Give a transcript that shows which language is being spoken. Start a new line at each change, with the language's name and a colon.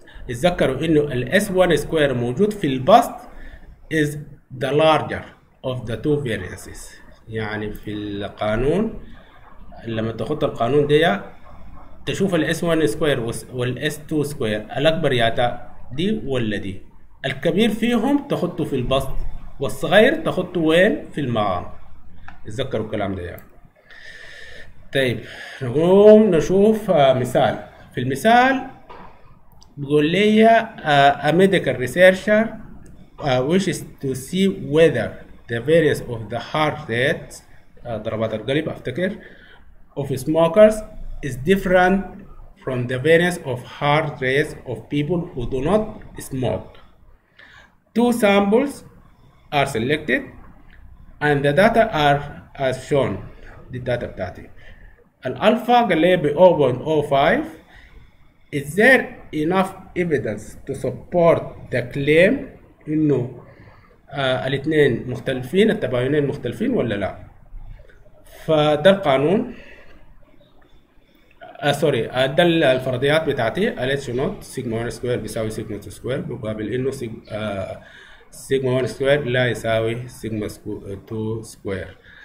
Arabic: اتذكروا إنه الـ S1 سكوير موجود في البسط
English: is the larger of the two variances.
Arabic: يعني في القانون لما تخط القانون دي تشوف الـ S1 سكوير والـ S2 سكوير الأكبر ياتا دي ولا دي، الكبير فيهم تخطه في البسط والصغير تخطه وين؟ في المعام. اتذكروا الكلام ده طيب نقوم نشوف مثال.
English: في المثال بيقول لي a medical researcher wishes to see whether the variance of the heart rate
Arabic: ضربات القلب افتكر
English: of smokers is different from the variance of heart rates of people who do not smoke. Two samples are selected and the data are as shown. The data
Arabic: بتاعتي الالفا قال لي ب 0.05.
English: Is there enough evidence to support the claim
Arabic: انه الاثنين مختلفين، التباينين مختلفين ولا لا؟ فده القانون، سوري ده الفرضيات بتاعتي، ال اتش نوت سيجما 1 سكوير بيساوي سيجما 2 سكوير، مقابل انه سيجما 1 سكوير لا يساوي سيجما 2 سكوير.